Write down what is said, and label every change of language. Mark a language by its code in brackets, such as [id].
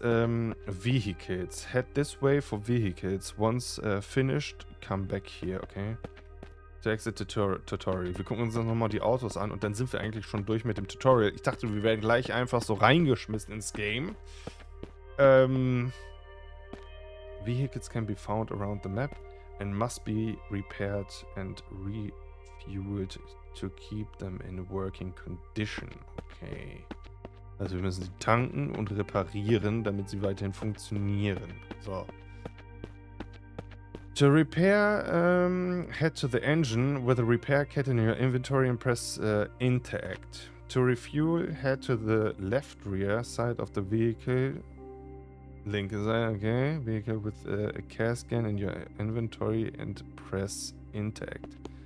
[en] Vehicles. Head this way for vehicles. Once finished, come back here. Okay. To exit tutorial. [de] Wir gucken uns dann nochmal die Autos an und dann sind wir eigentlich schon durch mit dem Tutorial. Ich dachte, wir werden gleich einfach so reingeschmissen ins Game. [en] Vehicles can be found around the map and must be repaired and refueled to keep them in working condition. Okay. [de] Also wir müssen sie tanken und reparieren, damit sie weiterhin funktionieren. So. [en] To repair, head to the engine with a repair kit in your inventory and press interact. To refuel, head to the left rear side of the vehicle. [de] Linke Seite, [en] okay. Vehicle with a care scan in your inventory and press interact.